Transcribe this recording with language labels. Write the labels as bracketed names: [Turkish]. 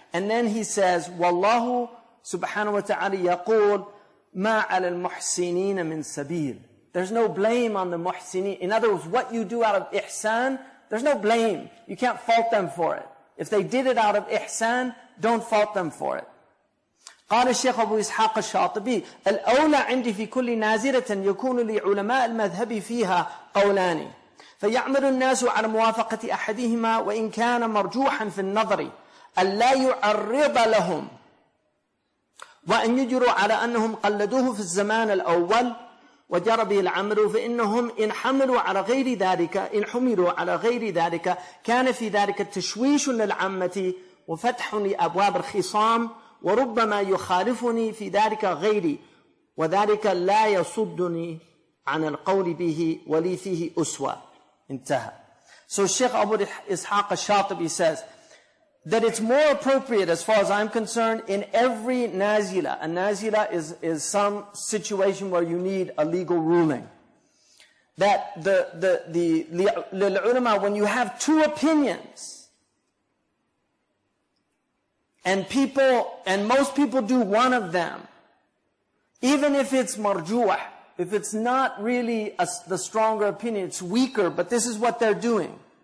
[English] And then he says, [Arabic] وَاللَّهُ سُبْحَانَهُ وَتَعَالَى يَقُولُ مَا عَلَى الْمُحْسِنِينَ مِنْ سَبِيلٍ. [English] There's no blame on the muhsineen. In other words, what you do out of ihsan, there's no blame. You can't fault them for it. If they did it out of ihsan, don't fault them for it. [Arabic] قال الشيخ أبو إسحاق الشاطبي الأولى عندي في كل نازلة يكون لعلماء المذهب فيها قولاني فيعمل الناس على موافقة أحدهما وإن كان مرجوحا في النظر ألا يعرض لهم وأن يجروا على أنهم قلدوه في الزمان الأول وجرى به العمل فإنهم إن حملوا على غير ذلك إن حملوا على غير ذلك كان في ذلك تشويش للعامة وفتح لأبواب الخصام وربما يخالفني في ذلك غيري وذلك لا يصدني عن القول به ولي فيه أسوة انتهى. [English] So Sheikh Abu Ishaq al-Shatibi says that it's more appropriate, as far as I'm concerned, in every nazila. A nazila is some situation where you need a legal ruling. That the lil ulama, when you have two opinions, and most people do one of them, even if it's marjuah, if it's not really the stronger opinion, it's weaker, but this is what they're doing.